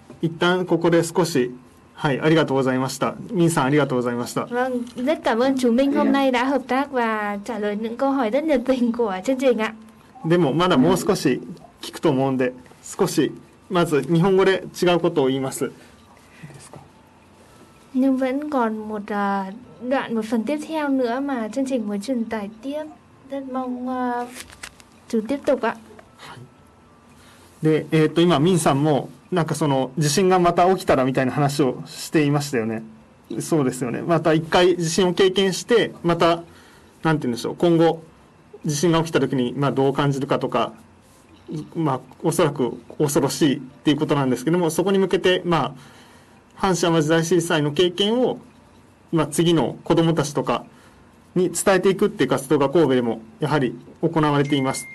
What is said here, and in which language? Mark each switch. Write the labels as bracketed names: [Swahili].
[Japanese] 一旦ここで少し、はい、ありがとうございました。ミンさん、ありがとうございました。 [Vietnamese] Vâng, rất cảm ơn chú Minh hôm nay đã hợp tác và trả lời những câu hỏi rất nhiệt tình của chương trình ạ. [Japanese] でも、まだもう少し聞くと思うんで、少し、まず日本語で違うことを言います。 [Vietnamese] Nhưng vẫn còn một đoạn, một phần tiếp theo nữa mà chương trình mới truyền tải tiếp. Rất mong chú tiếp tục ạ. [Japanese] で、今、ミンさんも、なんかその地震がまた起きたらみたいな話をしていましたよね。そうですよね。また一回地震を経験してまたなんて言うんでしょう、今後地震が起きた時にまあどう感じるかとか、まあおそらく恐ろしいっていうことなんですけども、そこに向けてまあ阪神淡路大震災の経験をまあ次の子どもたちとかに伝えていくっていう活動が神戸でもやはり行われています。